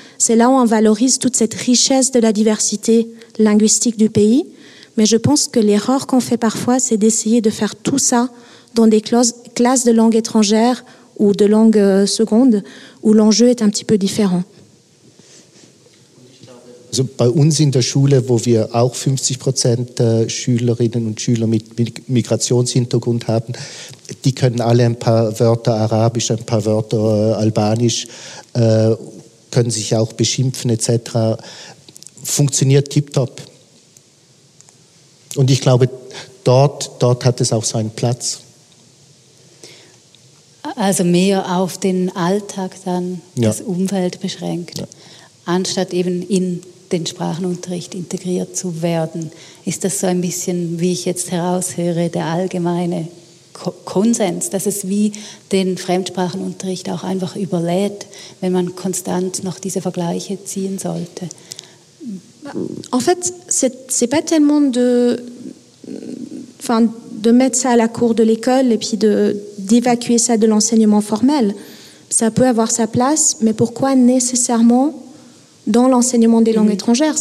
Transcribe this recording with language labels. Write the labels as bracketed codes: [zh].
[fr] C'est là où on valorise toute cette richesse de la diversité linguistique du pays. Mais je pense que l'erreur qu'on fait parfois, c'est d'essayer de faire tout ça dans des classes de langue étrangère ou de langue seconde, où l'enjeu est un petit peu différent. [de] Also bei uns in der Schule, wo wir auch 50% Schülerinnen und Schüler mit Migrationshintergrund haben, die können alle ein paar Wörter Arabisch, ein paar Wörter Albanisch, können sich auch beschimpfen etc. Funktioniert tipptopp. Und ich glaube, dort hat es auch seinen Platz. Also mehr auf den Alltag dann, das Umfeld beschränkt, anstatt eben in den Sprachenunterricht integriert zu werden. Ist das so ein bisschen, wie ich jetzt heraushöre, der allgemeine Konsens, dass es wie den Fremdsprachenunterricht auch einfach überlädt, wenn man konstant noch diese Vergleiche ziehen sollte? [fr] En fait, c'est pas tellement de mettre ça à la cour de l'école et puis d'évacuer ça de l'enseignement formel. Ça peut avoir sa place, mais pourquoi nécessairement dans l'enseignement des langues étrangères?